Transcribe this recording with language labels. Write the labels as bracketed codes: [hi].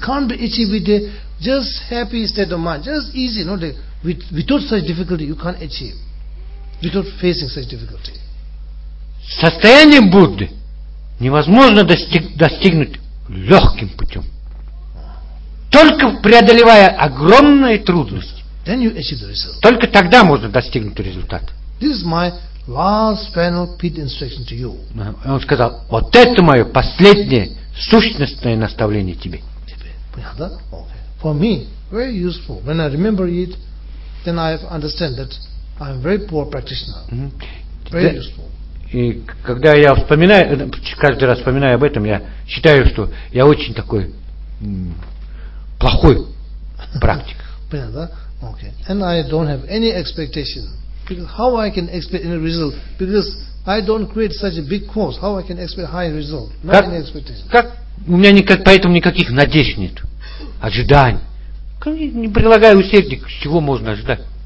[en] Can't be achieved with a just happy state of mind. Just easy. Not a, without such difficulty, you can't achieve. Without facing such difficulty. [ru] Состояние Будды невозможно достигнуть легким путем. Только преодолевая огромные трудности. [en] Then you achieve the result. [ru] Только тогда можно достигнуть результата. [en] This is my last final pit instruction to you. [ru] Он сказал, вот это мое последнее сущностное наставление тебе. [en] Понятно? Okay. For me, very useful. When I remember it, then I understand that I'm very poor practitioner. Very useful. [ru] И когда я вспоминаю, каждый раз вспоминаю об этом, я считаю, что я очень такой плохой практик. Понятно, да? [en] Okay. And I don't have any expectation. Because how I can expect any result? Because I don't create such a big course. How I can expect high result? Not [ru] как, [en] any expectation. [ru] Как? У меня никак, поэтому никаких надежд нет. Ожиданий. Не прилагаю усердий, чего можно ожидать.